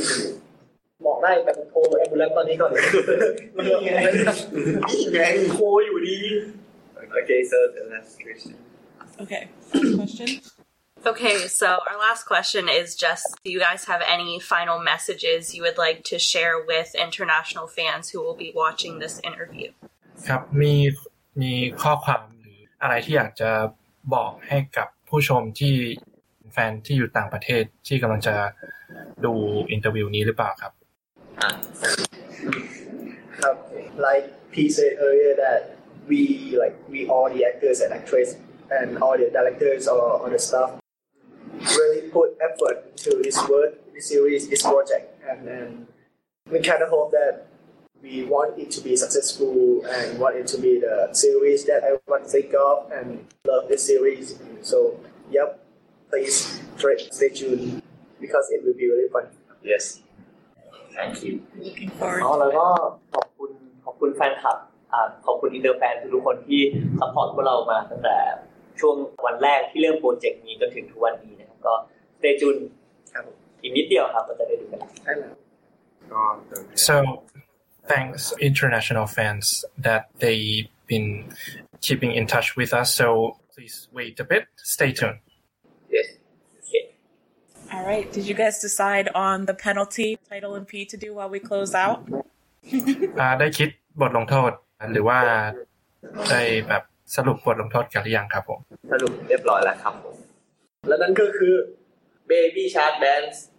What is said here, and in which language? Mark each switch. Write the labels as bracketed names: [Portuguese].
[Thai] ะบอกได้แต่ผมโทรแอมบูเลนตอนนี้ก่อน นี่ไงแกงโคอยู่ดีโอเค [English] so the last question okay question okay so our last question is just do you guys have any final messages you would like to share with international fans who will be watching this interview [Thai] ครับมีข้อความหรืออะไรที่อยากจะบอกให้กับผู้ชมที่แฟนที่อยู่ต่างประเทศที่กำลังจะดูอินเตอร์วิวนี้หรือเปล่าครับ [English] ครับ like P said earlier that we like we all the actors and actresses and all the directors or the staff really put effort to this work this series, this project, and then we kind of hope that we want it to be successful and want it to be the series that I want to think of and love this series. So, yep, please stay tuned because it will be really fun. Yes. Thank you. Looking forward to it. And thank you, fan club. [Thai] ขอบคุณอินเตอร์แฟนทุกคนที่ซัพพอร์ตพวกเรามาตั้งแต่ช่วงวันแรกที่เริ่มโปรเจกต์นี้จนถึงทุกวันนี้นะครับก็ [English] stay tuned [Thai] ครับอีกนิดเดียวครับก็จะได้ดูกัน ใช่แล้ว [English] so thanks international fans that they've been keeping in touch with us so please wait a bit stay tuned yes okay all right did you guys decide on the penalty title and P to do while we close out [Thai] ได้คิดบทลงโทษหรือว่าได้แบบสรุปบทลงโทษกันหรือยังครับผม สรุปเรียบร้อยแล้วครับผม และนั่นก็คือ Baby Shark Dance